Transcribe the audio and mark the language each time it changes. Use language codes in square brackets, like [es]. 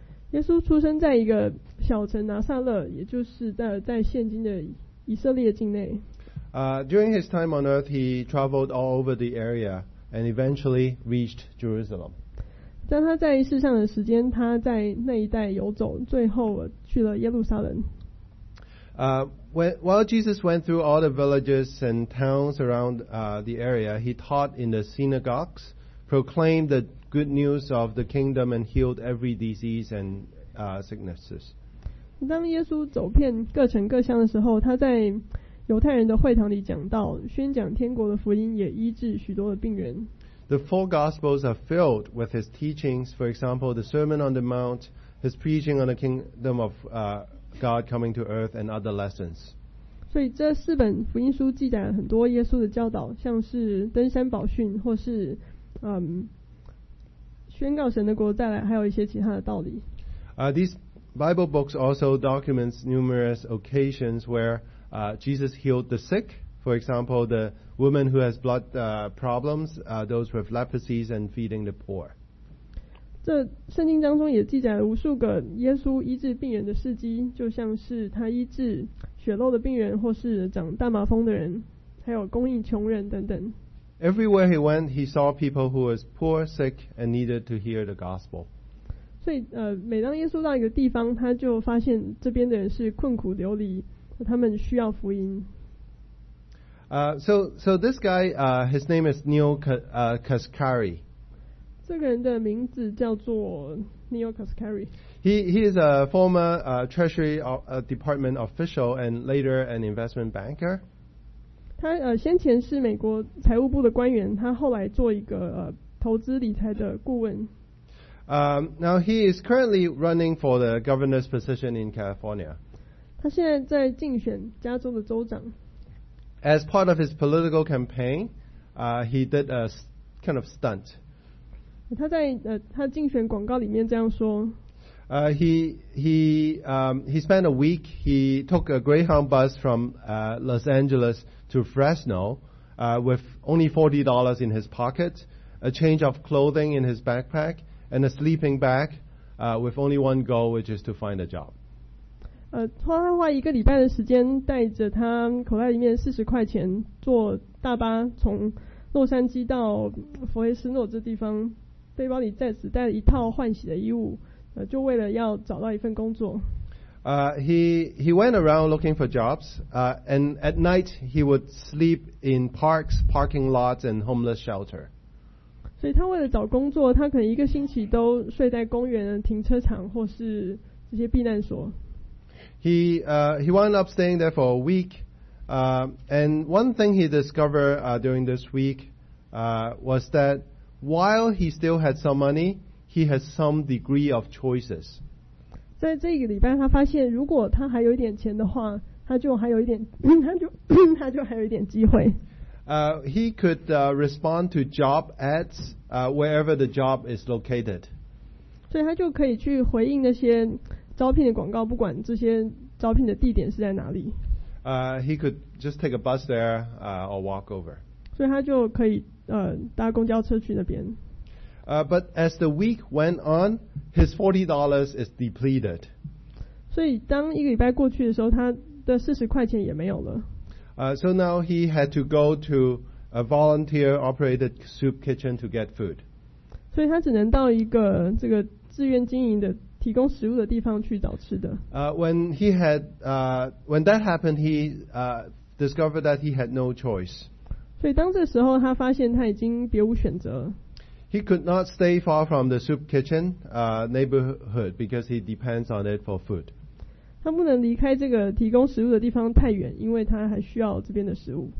[zh] 耶稣出生在一个小城拿撒勒，也就是在现今的以色列境内。 [en] During his time on earth, he traveled all over the area and eventually reached Jerusalem. [zh] 在他在世上的时间，他在那一带游走，最后去了耶路撒冷。 [en] While Jesus went through all the villages and towns around the area, he taught in the synagogues, proclaimed the good news of the kingdom, and healed every disease and sicknesses. [zh] 当耶稣走遍各城各乡的时候，他在犹太人的会堂里讲道，宣讲天国的福音，也医治许多的病人。 [en] The four Gospels are filled with his teachings. For example, the Sermon on the Mount, his preaching on the kingdom of God coming to earth, and other lessons. [zh] 所以这四本福音书记载了很多耶稣的教导，像是登山宝训，或是宣告神的国再来，还有一些其他的道理。 [en] These Bible books also documents numerous occasions where Jesus healed the sick. For example, the woman who has blood problems, those with leprosy, and feeding the poor. [zh] 这圣经当中也记载了无数个耶稣医治病人的事迹，就像是他医治血漏的病人，或是长大麻风的人，还有供应穷人等等。 [en] Everywhere he went, he saw people who was poor, sick, and needed to hear the gospel. [zh] 所以，每当耶稣到一个地方，他就发现这边的人是困苦流离，他们需要福音。 [en] So this guy, his name is Neil Kaskari. [zh] 这个人的名字叫做 Neil Kaskari. [en] He is a former Treasury Department official and later an investment banker. [zh] 他先前是美国财务部的官员，他后来做一个投资理财的顾问。 [en] Now he is currently running for the governor's position in California. [zh] 他现在在竞选加州的州长。 [en] As part of his political campaign, he did a kind of stunt. [zh] 他在他竞选广告里面这样说。 [en] He spent a week. He took a Greyhound bus from Los Angeles to Fresno, with only $40 in his pocket, a change of clothing in his backpack, and a sleeping bag, with only one goal, which is to find a job. [zh] 他花一个礼拜的时间，带着他口袋里面40块钱，坐大巴从洛杉矶到佛雷斯诺这地方，背包里再只带了一套换洗的衣物。就为了要找到一份工作。 [en] He went around looking for jobs, and at night he would sleep in parks, parking lots, and homeless shelter. [zh] 所以他为了找工作，他可能一个星期都睡在公园、停车场或是这些避难所。 [en] He wound up staying there for a week, and one thing he discovered during this week was that while he still had some money,He has some degree of choices. [zh] 在这个礼拜，他发现如果他还有一点钱的话，他就还有一点，他就还有一点机会。 [en] He could respond to job ads wherever the job is located. [zh] 所以他就可以去回应那些招聘的广告，不管这些招聘的地点是在哪里。 [en] He could just take a bus there or walk over. [zh] 所以他就可以搭公交车去那边。 [en] But as the week went on, his $40 is depleted. [zh] 所以当一个礼拜过去的时候，他的40块钱也没有了。 [en] So now he had to go to a volunteer-operated soup kitchen to get food. [zh] 所以他只能到一个这个自愿经营的提供食物的地方去找吃的。 [en] When that happened, he discovered that he had no choice. [zh] 所以当这时候，他发现他已经别无选择了。 [en] He could not stay far from the soup kitchen neighborhood because he depends on it for food. [zh] 他不能离开这个提供食物的地方太远，因为他还需要这边的食物。